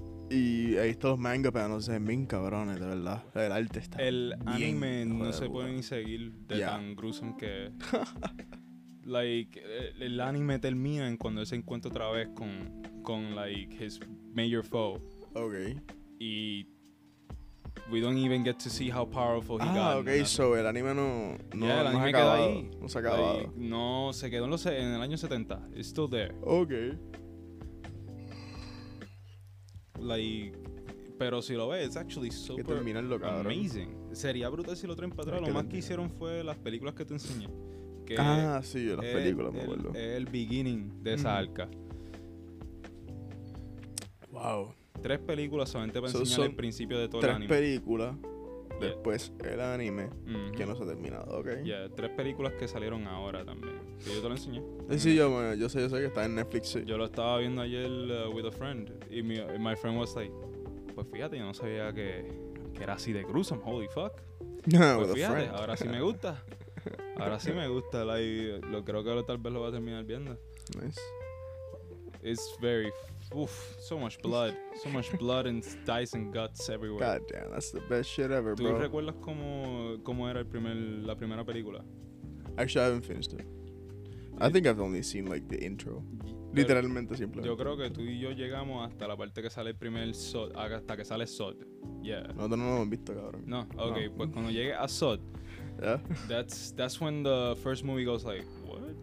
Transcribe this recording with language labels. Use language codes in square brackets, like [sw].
[es] Y ahí están los manga panels, es bien cabrones, de verdad. El arte está El anime no se puede ni seguir de tan gruesome que es. Like, el anime termina en cuando él se encuentra otra vez con like, [en] his major foe. Okay. Y we don't even get to see how powerful he got. [es] Ah, okay, so el anime no se quedó en el año 70. [en] It's still there. Okay. [es] Like, pero si lo ves, [en] it's actually super amazing. [es] Sería brutal si lo traen para atrás. Lo más que hicieron fue las películas que te enseñé. que sí, de las películas, me acuerdo. Es el beginning de esa arca. Wow. Tres películas solamente para enseñar el principio de todo el anime. Tres películas, después el anime, que no se ha terminado, ok. Yeah, tres películas que salieron ahora también. Que yo te lo enseñé. Sí, yo sé que está en Netflix. Sí. Yo lo estaba viendo ayer [en] with a friend, [es] y [en] my friend was like, [es] pues fíjate, yo no sabía que era así de gruesome, [en] holy fuck. [es] Pues fíjate, ahora sí me gusta. Ahora sí me gusta, creo que tal vez lo va a terminar viendo. [en] Nice. It's very... Oof, so much blood. So much blood and dice and guts everywhere. God damn, that's the best shit ever, [es] ¿Tú [en] bro. [es] ¿Tú recuerdas cómo era la primera película? [en] Actually, I haven't finished it. I think I've only seen, the intro. [es] Literalmente, simplemente. Yo creo que tú y yo llegamos hasta la parte que sale el primer Zod, hasta que sale Zod. [en] Yeah. [es] Nosotros no lo hemos visto, cabrón. No, ok, no. Pues cuando llegue a Zod, [en] yeah. That's when the first movie goes like, what?